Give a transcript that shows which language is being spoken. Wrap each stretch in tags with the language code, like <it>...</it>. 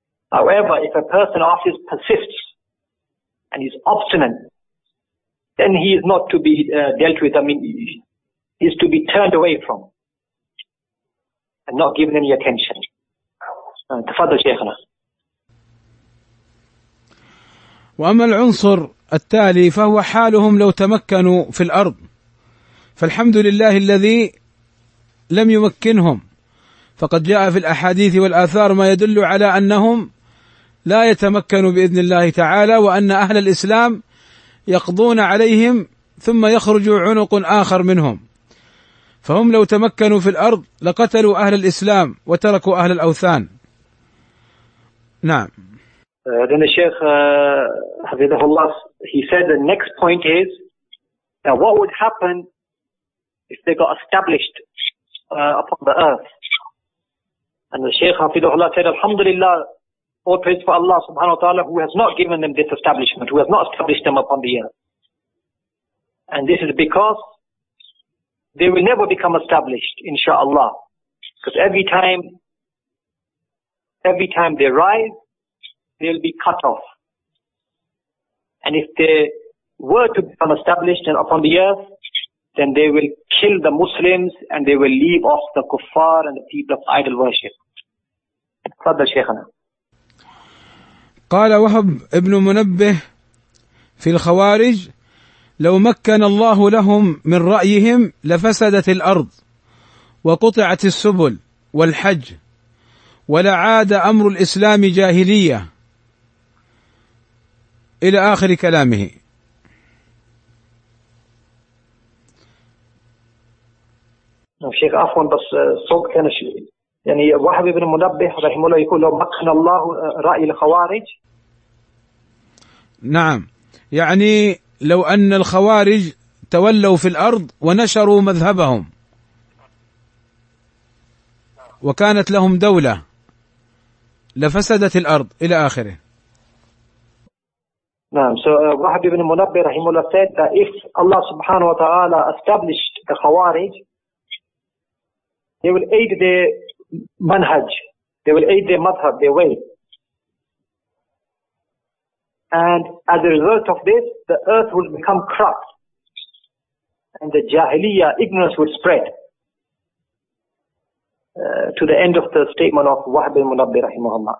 <en>However, if a person always persists and he's obstinate, then he is not to be dealt with. I mean, he is to be turned away from and not given any attention.</en> <ar>Tafadhal Shaykhana. وأما العنصر التالي فهو حالهم لو تمكنوا في الأرض، فالحمد لله الذي لم يمكنهم، فقد جاء في الأحاديث والآثار ما يدل على أنهم لا يتمكنوا بإذن الله تعالى، وأن أهل الإسلام يقضون عليهم ثم يخرج عنق آخر منهم، فهم لو تمكنوا في الأرض لقتلوا أهل الإسلام وتركوا أهل الأوثان. نعم.</ar> <en>Then the Sheikh Hafidhullah, he said the next point is, now what would happen if they got established upon the earth? And the Sheikh Hafidhullah said, Alhamdulillah, all praise for Allah subhanahu wa ta'ala, who has not given them this establishment, who has not established them upon the earth. And this is because they will never become established, inshaAllah. Because every time they rise, they'll be cut off. And if they were to become established and upon the earth, then they will kill the Muslims and they will leave off the kuffar and the people of idol worship.</en> <ar>Fadda Shaykhana. قال وهب ابن منبه في الخوارج: لو مكن الله لهم من رأيهم لفسدت الأرض وقطعت السبل والحج ولعاد أمر الإسلام جاهلية، إلى آخر كلامه. شيخ عفوا، بس صوت كان يعني وهب ابن منبه رحمه الله يقول: لو مكن الله رأي الخوارج. نعم، يعني لو أن الخوارج تولوا في الأرض ونشروا مذهبهم وكانت لهم دولة لفسدت الأرض، إلى آخره. نعم.</ar> <en>So Wahab ibn Munabbih rahimahullah said that if Allah subhanahu wa ta'ala established the khawarij, they will aid their manhaj, they will aid their madhab, their way. And as a result of this, the earth will become corrupt and the jahiliyyah, ignorance will spread to the end of the statement of Wahab ibn Munabbih rahimahullah.</en>